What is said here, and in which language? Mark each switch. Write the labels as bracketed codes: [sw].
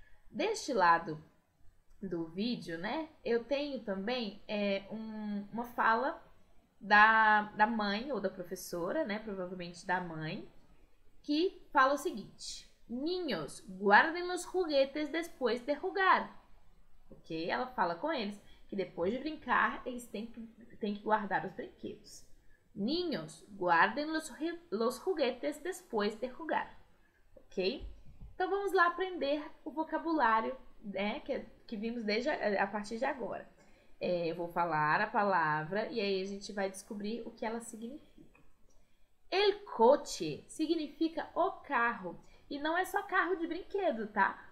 [pt] Deste lado do vídeo, né, eu tenho também uma fala da mãe ou da professora, né, provavelmente da mãe, que fala o seguinte: [es] Niños, guarden los juguetes después de jugar. [pt] Ok? Ela fala com eles que depois de brincar, eles têm que guardar os brinquedos. [es] Niños, guarden los juguetes después de jugar. Ok? [pt] Então vamos lá aprender o vocabulário, né, que vimos desde a partir de agora. Eu vou falar a palavra e aí a gente vai descobrir o que ela significa. El coche significa o carro. E não é só carro de brinquedo, tá?